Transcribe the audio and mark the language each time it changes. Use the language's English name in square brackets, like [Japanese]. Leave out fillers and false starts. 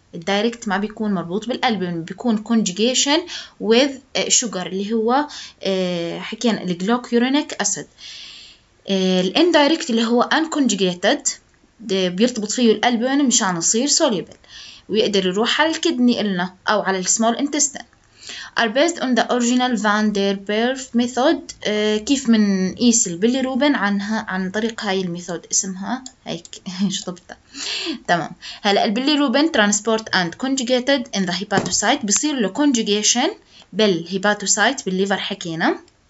[Arabic] الدايركت ما بيكون مربوط بالألبوم، بيكون [English] conjugation with sugar [Arabic] اللي هو حكينا الجلوكورينيك أسيد. الاندايركت اللي هو unconjugated بيرتبط فيه الألبوم مشان يصير soluble ويقدر يروح على الكدني إلنا أو على السمول انتستين. [English] are based on the original van der Beek method. [Arabic] كيف من قيس البيليروبين؟ عن طريق هاي الميثود اسمها هيك شطبتها. تمام، هلا البيليروبين [English] transport and conjugated in the hepatocyte، [Arabic] بصير له conjugation بالهيباتوسايت بالليفر حكينا.